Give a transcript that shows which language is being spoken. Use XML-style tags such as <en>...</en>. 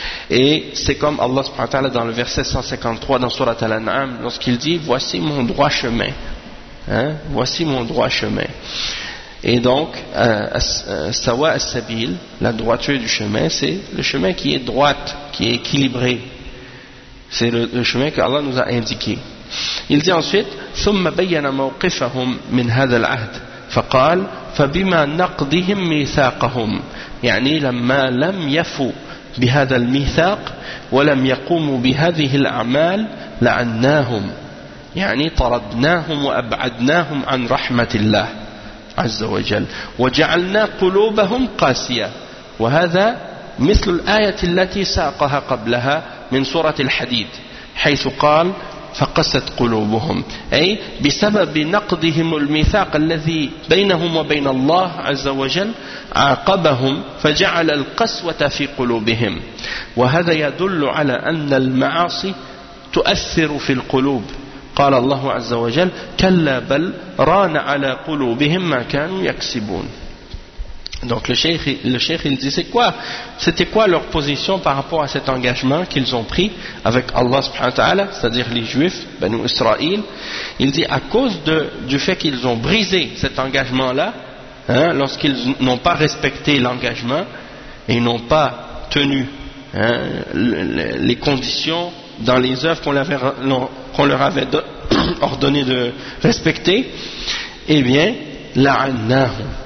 <fr>Et c'est comme Allah subhanahu wa ta'ala dans le verset 153 dans Surat Al-An'am, lorsqu'il dit « Voici mon droit chemin. Hein? Voici mon droit chemin. » Et donc, « Sawa al-Sabil », la droiture du chemin, c'est le chemin qui est droite, qui est équilibré. C'est le chemin que Allah nous a indiqué. Il dit ensuite</fr> <ar>« ثم بين موقفهم من هذا العهد فقال فبما نقضهم ميثاقهم يعني لما لم يفوا بهذا الميثاق ولم يقوموا بهذه الأعمال لعناهم يعني طردناهم وأبعدناهم عن رحمة الله عز وجل وجعلنا قلوبهم قاسية وهذا مثل الآية التي ساقها قبلها من سورة الحديد حيث قال فقست قلوبهم أي بسبب نقضهم الميثاق الذي بينهم وبين الله عز وجل عاقبهم فجعل القسوة في قلوبهم وهذا يدل على أن المعاصي تؤثر في القلوب قال الله عز وجل كلا بل ران على قلوبهم ما كانوا يكسبون.</ar> <fr>Donc le cheikh il dit c'était quoi leur position par rapport à cet engagement qu'ils ont pris avec Allah subhanahu wa ta'ala, c'est-à-dire les juifs, Banu Israël. Il dit à cause du fait qu'ils ont brisé cet engagement-là, hein, lorsqu'ils n'ont pas respecté l'engagement et n'ont pas tenu hein, les conditions dans les œuvres qu'on leur avait ordonné de respecter, eh bien, la'annahu.</fr>